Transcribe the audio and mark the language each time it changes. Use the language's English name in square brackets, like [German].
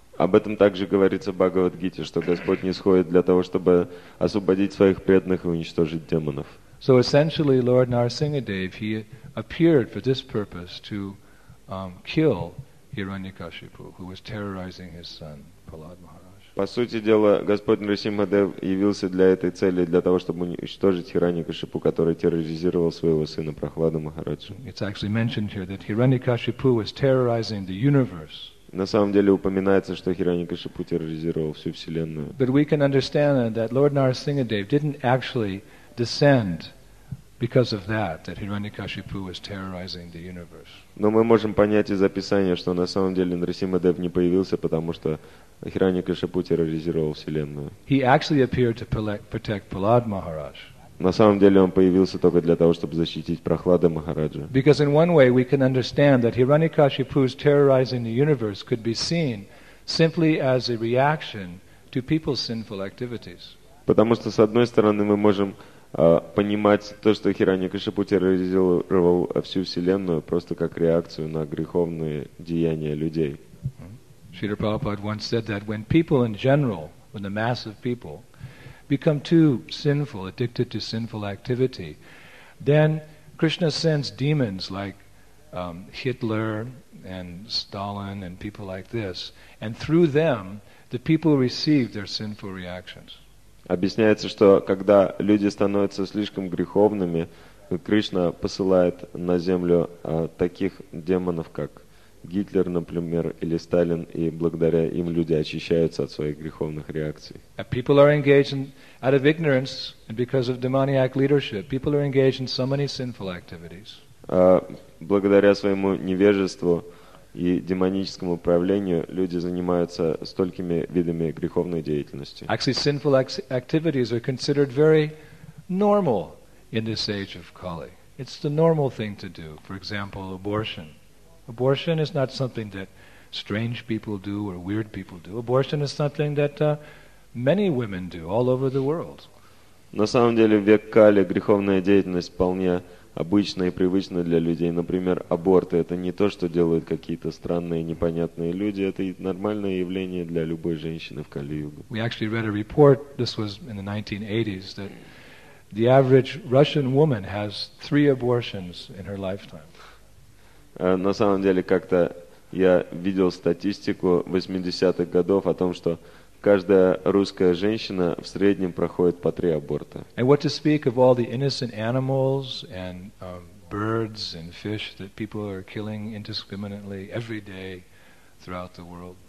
[Russian] Об этом также говорится в Бхагавад-гите, что Господь нисходит для того, чтобы освободить своих преданных и уничтожить демонов. [English] So essentially, Lord Narasingadev, he appeared for this purpose to kill Hiranyakashipu, who was terrorizing his son, Prahlad Maharaj. [Russian] По сути дела, Господь Нрисимхадев явился для этой цели, для того, чтобы уничтожить Хиранья-Кашипу, который терроризировал своего сына Прахлада Махараджу. [English] It's actually mentioned here that Hiranyakashipu was terrorizing the universe. [Russian] На самом деле упоминается, что Хираньякашипу терроризировал всю вселенную. [English] But we can understand that Lord Narasingadev didn't actually descend Because of that, that Hiranyakashipu was terrorizing the universe. [Russian] Но мы можем понять из описания, что на самом деле Нарасимхадев не появился, потому что Хираньякашипу терроризировал вселенную. [English] He actually appeared to protect Prahlad Maharaj. [Russian] На самом деле он появился только для того, чтобы защитить Прохлада Махараджа. [English] Because in one way we can understand that Hiranyakashipu's terrorizing the universe could be seen simply as a reaction to people's sinful activities. [Russian] Потому что с одной стороны мы можем понимать то, что Хираньякашипу терроризировал всю вселенную просто как реакцию на греховные деяния людей. [English] Шрила Прабхупада once said that when people in general, when the mass of people become too sinful, addicted to sinful activity, then Krishna sends demons like Hitler and Stalin and people like this, and through them the people receive their sinful reactions. [Russian] Объясняется, что когда люди становятся слишком греховными, Кришна посылает на землю таких демонов, как Гитлер, например, или Сталин, и благодаря им люди очищаются от своих греховных реакций. [English] People are engaged in, out of ignorance and because of demoniac leadership, people are engaged in so many sinful activities. [Russian] Благодаря своему невежеству и демоническому правлению люди занимаются столькими видами греховной деятельности. [English] Actually, sinful activities are considered very normal in this age of Kali. It's the normal thing to do. For example, abortion. Abortion is not something that strange people do or weird people do. Abortion is something that many women do all over the world. [Russian] На самом деле, в век Кали греховная деятельность вполне обычна и привычна для людей. Например, аборты — это не то, что делают какие-то странные, непонятные люди. Это нормальное явление для любой женщины в Кали-Югу. [English] We actually read a report, this was in the 1980s, that the average Russian woman has 3 abortions in her lifetime. [Russian] На самом деле, как-то я видел статистику 80-х годов о том, что каждая русская женщина в среднем проходит по 3 аборта. [English] And what to speak of all the innocent animals and birds and fish that people are killing indiscriminately every day throughout the world.